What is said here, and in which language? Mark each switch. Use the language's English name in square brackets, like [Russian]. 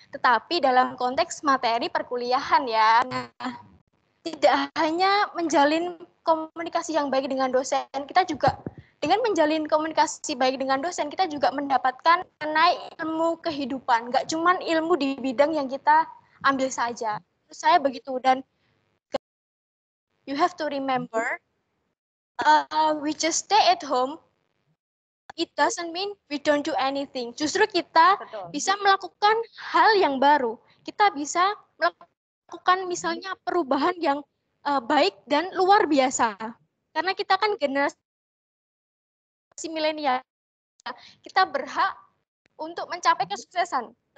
[Indonesian] Tetapi dalam konteks materi perkuliahan ya, nah, tidak hanya menjalin komunikasi yang baik dengan dosen, kita juga dengan menjalin komunikasi baik dengan dosen, kita juga mendapatkan naik ilmu kehidupan. Nggak cuma ilmu di bidang yang kita ambil saja. Saya begitu, dan [English] you have to remember, we just stay at home, it doesn't mean we don't do anything. [Indonesian] Justru kita bisa melakukan hal yang baru. Kita bisa melakukan misalnya perubahan yang baik dan luar biasa. Karena kita kan generasi milenial, kita berhak untuk mencapai kesuksesan.